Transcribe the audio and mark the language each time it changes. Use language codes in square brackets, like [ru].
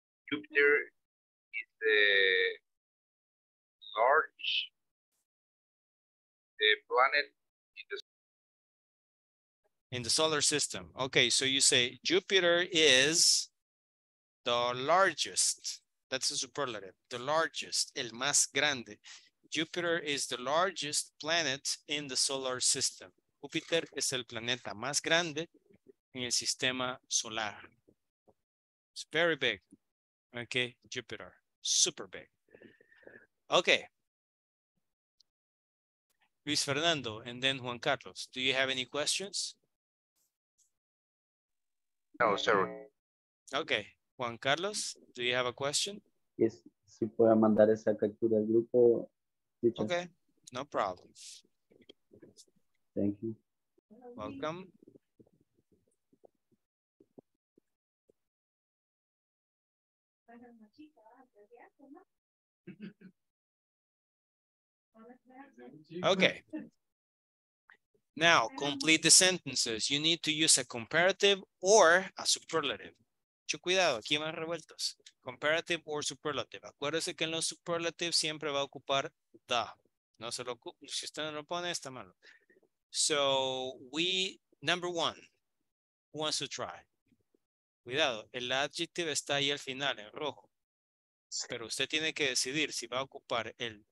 [en] Jupiter is the large planet in the solar system. Okay, so you say Jupiter is the largest. That's a superlative. The largest, [es] el más grande. [en] Jupiter is the largest planet in the solar system. [es] Júpiter es el planeta más grande en el sistema solar. [en] It's very big. Okay, Jupiter, super big. Okay. Luis Fernando and then Juan Carlos, do you have any questions? No, sir. Okay, Juan Carlos, do you have a question? Yes, si puedo mandar esa captura al grupo. Okay, no problem. Thank you. Welcome. Okay. Now, complete the sentences. You need to use a comparative or a superlative. [es] Mucho cuidado, aquí van revueltos. [en] Comparative or superlative. [es] Acuérdese que en los superlatives siempre va a ocupar the. No se lo ocupa. Si usted no lo pone, está malo. [en] So, we, number one, who wants to try? [es] Cuidado, el adjective está ahí al final, en rojo. Pero usted tiene que decidir si va a ocupar el